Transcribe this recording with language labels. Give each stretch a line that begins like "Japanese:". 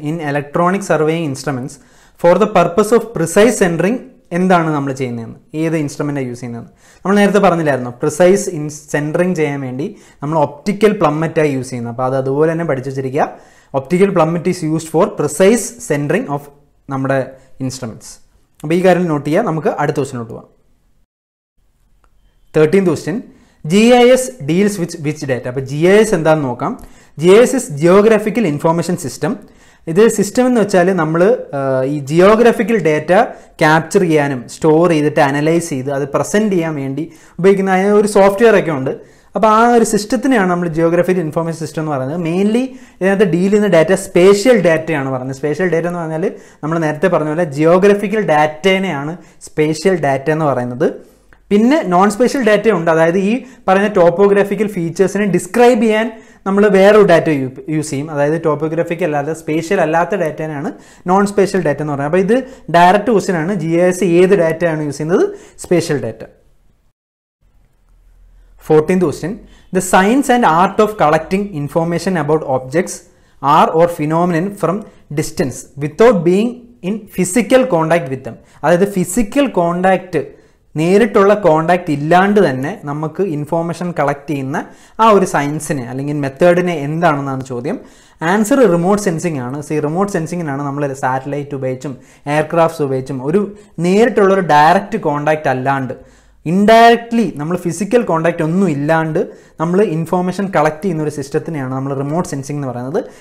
English: in electronic surveying instruments for the purpose of precise centering
Malayalam: എന്താണ് നമ്മൾ ചെയ്യുന്നതെന്ന്, ഏത് ഇൻസ്ട്രുമെൻറ്റാണ് യൂസ് ചെയ്യുന്നതെന്ന്. നമ്മൾ നേരത്തെ പറഞ്ഞില്ലായിരുന്നു പ്രിസൈസ് ഇൻ സെൻറ്ററിങ് ചെയ്യാൻ വേണ്ടി നമ്മൾ ഒപ്റ്റിക്കൽ പ്ലമ്മറ്റായി യൂസ് ചെയ്യുന്നത്. അപ്പോൾ അത് അതുപോലെ തന്നെ പഠിച്ചു വെച്ചിരിക്കുക.
English: optical plummet is used for precise centering of
Malayalam: നമ്മുടെ ഇൻസ്ട്രുമെൻറ്റ്സ്. അപ്പോൾ ഈ കാര്യം നോട്ട് ചെയ്യുക. നമുക്ക് അടുത്ത ക്വസ്റ്റിനോട്ട് പോവാം.
English: 13th question, GIS deals with which data?
Malayalam: അപ്പോൾ GIS എന്താണെന്ന് നോക്കാം.
English: GIS is geographical information system.
Malayalam: ഇത് സിസ്റ്റം എന്ന് വെച്ചാൽ നമ്മൾ ഈ ജിയോഗ്രഫിക്കൽ ഡേറ്റ ക്യാപ്ചർ ചെയ്യാനും സ്റ്റോർ ചെയ്തിട്ട് അനലൈസ് ചെയ്ത് അത് പ്രസൻറ്റ് ചെയ്യാൻ വേണ്ടി ഉപയോഗിക്കുന്ന അതിന് ഒരു സോഫ്റ്റ്വെയർ ഒക്കെ ഉണ്ട്. അപ്പോൾ ആ ഒരു സിസ്റ്റത്തിനെയാണ് നമ്മൾ ജിയോഗ്രഫിക്കൽ ഇൻഫോർമേഷൻ സിസ്റ്റം എന്ന് പറയുന്നത്. മെയിൻലി ഇതിനകത്ത് ഡീൽ ചെയ്യുന്ന ഡാറ്റ സ്പേഷ്യൽ ഡാറ്റയാണ് പറയുന്നത്. സ്പേഷ്യൽ ഡാറ്റ എന്ന് പറഞ്ഞാൽ നമ്മൾ നേരത്തെ പറഞ്ഞ പോലെ ജിയോഗ്രഫിക്കൽ ഡാറ്റേനെയാണ് സ്പേഷ്യൽ ഡാറ്റ എന്ന് പറയുന്നത്. പിന്നെ നോൺ സ്പേഷ്യൽ ഡാറ്റ ഉണ്ട്. അതായത് ഈ പറയുന്ന ടോപ്പോഗ്രാഫിക്കൽ ഫീച്ചേഴ്സിനെ ഡിസ്ക്രൈബ് ചെയ്യാൻ നമ്മൾ വേറൊരു ഡാറ്റ യൂസ് ചെയ്യും. അതായത് ടോപ്പോഗ്രാഫിക്കൽ അല്ലാതെ സ്പേഷ്യൽ അല്ലാത്ത ഡാറ്റനാണ് നോൺ സ്പേഷ്യൽ ഡാറ്റ എന്ന് പറയുന്നത്. അപ്പോൾ ഇത് ഡയറക്റ്റ് ക്വസ്റ്റ്യൻ ആണ്. GIS ഏത് ഡാറ്റ ആണ് യൂസ് ചെയ്യുന്നത്? Spatial data.
English: 14th question, the science and art of collecting information about objects are or phenomenon from distance without being in physical contact with them.
Malayalam: അതായത് physical contact, നേരിട്ടുള്ള contact ഇല്ലാണ്ട് തന്നെ നമുക്ക് information collect ചെയ്യുന്ന ആ ഒരു സയൻസിനെ അല്ലെങ്കിൽ മെത്തേഡിനെ എന്താണെന്നാണ് ചോദ്യം. ആൻസർ റിമോട്ട് സെൻസിങ് ആണ്. സീ റിമോട്ട് സെൻസിങ്ങിനാണ് നമ്മൾ സാറ്റലൈറ്റ് ഉപയോഗിച്ചും എയർക്രാഫ്റ്റ്സ് ഉപയോഗിച്ചും ഒരു നേരിട്ടുള്ളൊരു ഡയറക്റ്റ് കോണ്ടാക്ട് അല്ലാണ്ട്, ഇൻഡയറക്ട്ലി നമ്മൾ ഫിസിക്കൽ കോണ്ടാക്ട് ഒന്നും ഇല്ലാണ്ട് നമ്മൾ ഇൻഫോർമേഷൻ കളക്ട് ചെയ്യുന്ന ഒരു സിസ്റ്റത്തിനെയാണ് നമ്മൾ റിമോട്ട് സെൻസിംഗ് എന്ന് പറയുന്നത്.